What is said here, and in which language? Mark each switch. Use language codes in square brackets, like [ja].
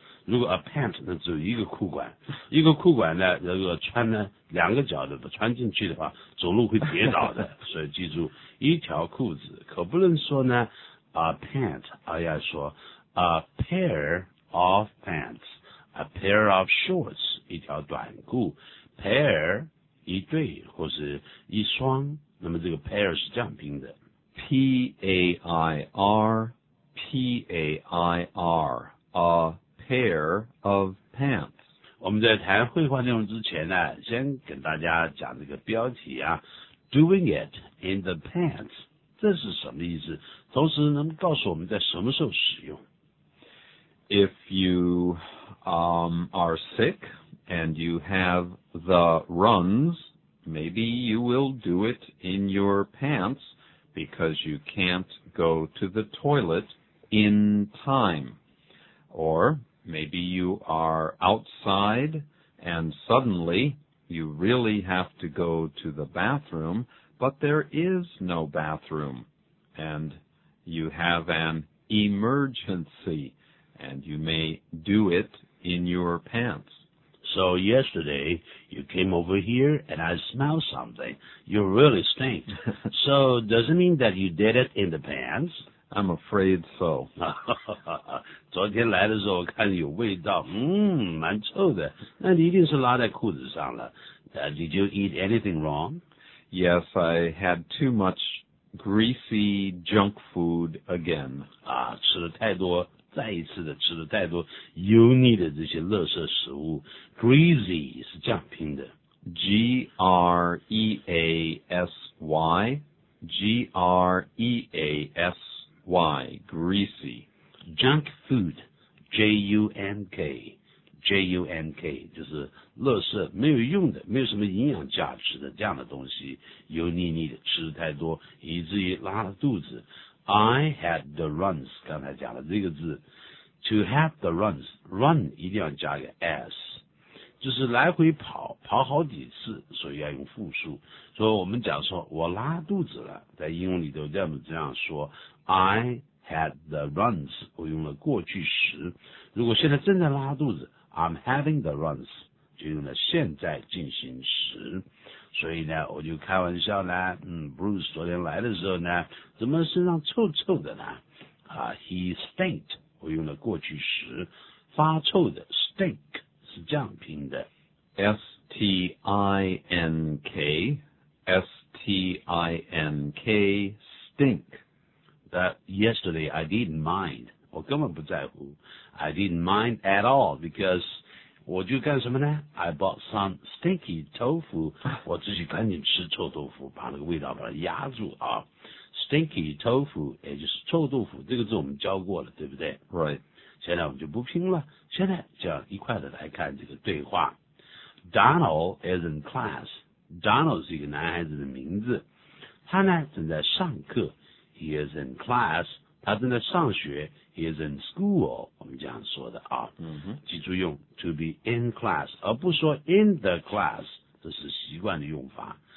[zh] 如果 [en] a pant [zh] 那只有一个裤管，一个裤管呢如果穿呢两个脚的不穿进去的话走路会跌倒的，所以记住一条裤子可不能说呢 a pant， 而要说 [en] a pair of pantsA pair of shorts, [zh] 一条短裤 pair, 一对或是一双，那么这个 pair 是这样拼的 [en] P-A-I-R, P-A-I-R, a pair of pants. [zh] 我们在谈绘画内容之前呢，先跟大家讲这个标题啊 , [en] Doing it in the pants, [zh] 这是什么意思，同时能告诉我们在什么时候使用。 [en] If you are sick and you have the runs, maybe you will do it in your pants because you can't go to the toilet in time. Or maybe you are outside and suddenly you really have to go to the bathroom, but there is no bathroom and you have an emergency. And you may do it in your pants. So yesterday, you came over here and I smelled something. You really stink. So does it mean that you did it in the pants? I'm afraid so. [zh] 昨天来的时候我看有味道，蛮臭的。那你一定是拉在裤子上了。 [en] Did you eat anything wrong? Yes, I had too much greasy junk food again. [zh] 啊，吃了太多。再一次的吃了太多油腻的这些垃圾食物 ,greasy 是这样拼的 [en] ,G-R-E-A-S-Y, G-R-E-A-S-Y, greasy. [zh] Junk food, J-U-N-K, J-U-N-K, 就是垃圾没有用的没有什么营养价值的这样的东西油腻腻的吃了太多以至于拉了肚子。 [en] I had the runs, [zh] 刚才讲了这个字。 [en] To have the runs, [zh] run 一定要加个 s, 就是来回跑跑好几次所以要用复数。所以我们讲说我拉肚子了在英文里头要这样说 [en] I had the runs, [zh] 我用了过去时。如果现在正在拉肚子 [en] I'm having the runs, [zh] 就用了现在进行时。所以呢我就开玩笑呢,Bruce 昨天来的时候呢怎么身上臭臭的呢啊 , [en] he stinked, [zh] 我用了过去时发臭的 ,stink, 是这样拼的 [en] ,s-t-i-n-k, s-t-i-n-k, stink, but yesterday I didn't mind, [zh] 我根本不在乎 [en] ,I didn't mind at all, because, [zh] 我就干什么呢 [en] ?I bought some stinky tofu. [zh] 我自己赶紧吃臭豆腐把那个味道把它压住啊。 [en] Stinky tofu, [zh] 也就是臭豆腐这个字我们教过了对不对 [en] ?Right. [zh] 现在我们就不拼了现在就要一块的来看这个对话。 [en] Donald is in class. [zh] Donald 是一个男孩子的名字。他呢正在上课。 [en] He is in class. [zh] 他正在上学。 [en] He is in school, [zh] 我们这样说的啊、记住用 [en] to be in class, [zh] 而不说 [en] in the class, [zh] 这是习惯的用法。